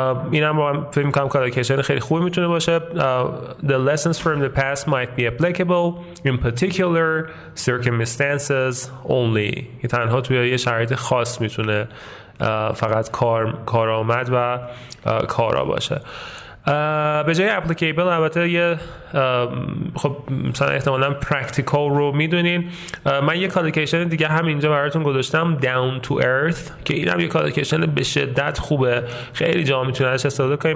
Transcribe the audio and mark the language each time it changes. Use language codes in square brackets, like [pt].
[fa] اینم رو هم فکر میکنم کلاکشن خیلی خوبی میتونه باشه. [en] The lessons from the past might be applicable in particular circumstances only. [fa] یه تنها توی یه شرایط خاص میتونه فقط کار آمد و کارا باشه. به جای اپلیکیبل، البته یه خب مثلا احتمالاً پرکتیکال رو میدونین. من یه کالیکیشن دیگه هم اینجا براتون گذاشتم، داون تو ارث، که اینم یه کالیکیشن به شدت خوبه، خیلی جا میتونه ازش استفاده کنین.